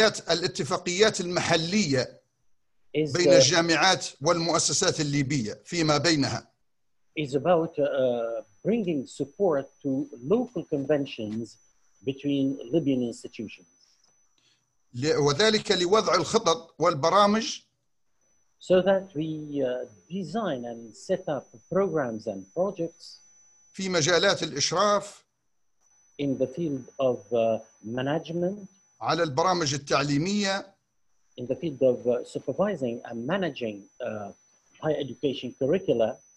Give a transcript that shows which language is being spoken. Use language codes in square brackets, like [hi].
[ar] الاتفاقيات المحلية بين الجامعات والمؤسسات الليبية فيما بينها [en] is about bringing support to local conventions between Libyan institutions. [ar] وذلك لوضع الخطط والبرامج [en] so that we design and set up programs and projects [ar] في مجالات الإشراف [en] in the field of management [ar] على البرامج التعليمية [en] in the field of supervising and managing higher education curricula